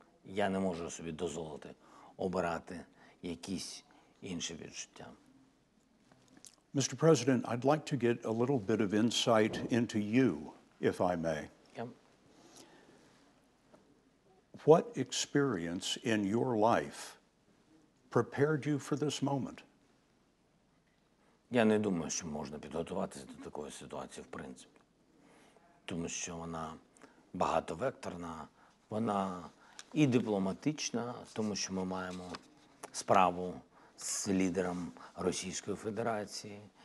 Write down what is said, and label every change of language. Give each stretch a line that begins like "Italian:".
Ukrainian: Я не можу собі дозволити обирати якісь інші відчуття.
English: Mr. President, I'd like to get a little bit of insight into you, if I may. Yep. What experience in your life prepared you for this moment?
Ukrainian: Я не думаю, що можна підготуватися до такої ситуації, в принципі. Тому що вона багатовекторна, вона і дипломатична, тому що ми маємо справу з лідером Російської Федерації.